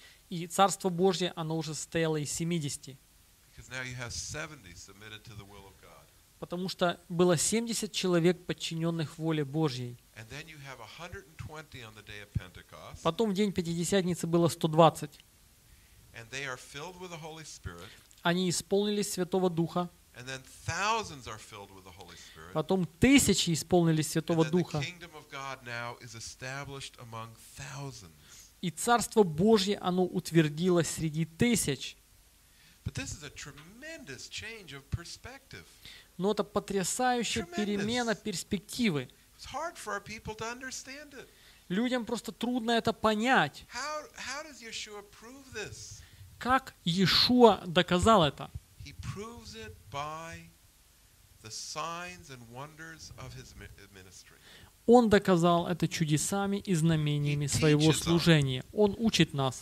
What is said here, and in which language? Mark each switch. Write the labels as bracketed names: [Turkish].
[Russian] И Царство Божье, оно уже состояло из 70. [English] Because now you have 70 submitted to the will of God. [Russian] Потому что было 70 человек, подчиненных воле Божьей. [English] And then you have 120 on the day of Pentecost. [Russian] Потом в день Пятидесятницы было 120. [English] And they are filled with the Holy Spirit. [Russian] Они исполнились Святого Духа. [English] And then thousands are filled with the Holy Spirit. [Russian] Потом тысячи исполнились Святого Духа. [English] And the kingdom of God now is established among thousands. [Russian] И Царство Божье, оно утвердилось среди тысяч. [English] But this is a tremendous change of perspective. [Russian] Но это потрясающая перемена перспективы. [English] It's hard for our people to understand it. [Russian] Людям просто трудно это понять. [English] How does Yeshua prove this? [Russian] Как Иешуа доказал это? [English] He proves it by the signs and wonders of his ministry. [Russian] Он доказал это чудесами и знамениями своего служения. Он учит нас.